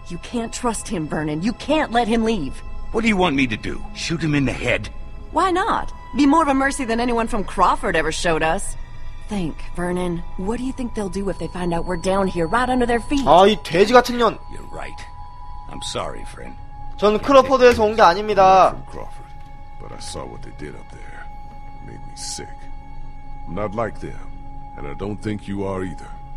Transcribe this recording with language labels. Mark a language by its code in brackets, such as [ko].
[en] You can't trust him, Vernon. You can't let him leave. What do you want me to do? Shoot him in the head? Why not? Be more of a mercy than anyone from Crawford ever showed us. Think, Vernon. What do you think they'll do if they find out we're down here, right under their feet? [ko] 아, 이 돼지 같은 년. [en] You're right. I'm sorry, friend. [ko] 저는 크로포드에서 온 게 아닙니다. [en] But I saw what they did up there. It made me sick. I'm not like them, and I don't think you are either.